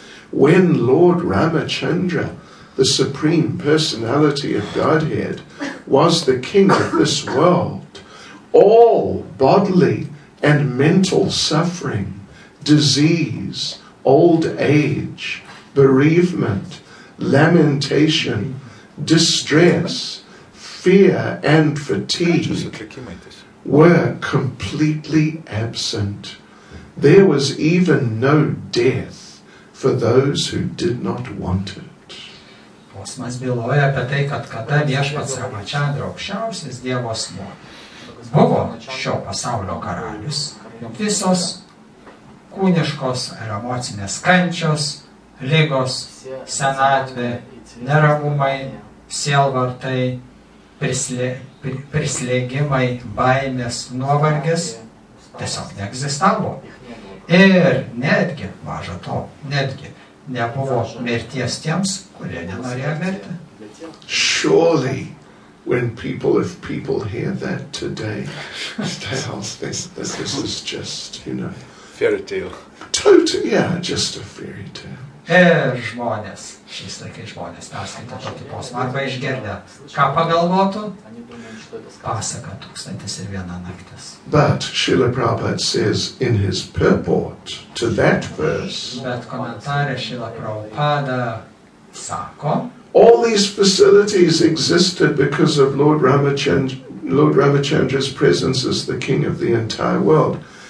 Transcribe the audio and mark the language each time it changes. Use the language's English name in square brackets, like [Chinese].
[English] When Lord Ramachandra, the Supreme Personality of Godhead, was the king of this world, all bodily and mental suffering, disease, old age, bereavement, lamentation, distress, fear, and fatigue were completely absent. There was even no death for those who did not want it. [Lithuanian] Posmas byloja apie tai, kad kada viešpats Ramachandra aukščiausias Dievo asmuo buvo šio pasaulio karalius, visos kūniškos ir emocinės kančios, ligos, senatvė, neramumai, sielvartai, prislėgimai, baimės, nuovargis tiesiog neegzistavo. Ir netgi, maža to, netgi nebuvo mirties tiems, kurie nenorėjo mirti. [English] Surely, when people hear that today, this is just, you know, fairy tale. Totally, yeah, just a fairy tale. [Lithuanian] Ir žmonės, šiais laikais žmonės, perskaitė tokį posmą arba išgirdę, ką pagalvotų, pasaka tūkstantis ir viena naktis. [English] But Srila Prabhupada says in his purport to that verse, [Lithuanian] bet komentare Srila Prabhupada sako, [English] all these facilities existed because of Lord Ramachandra's presence as the king of the entire world.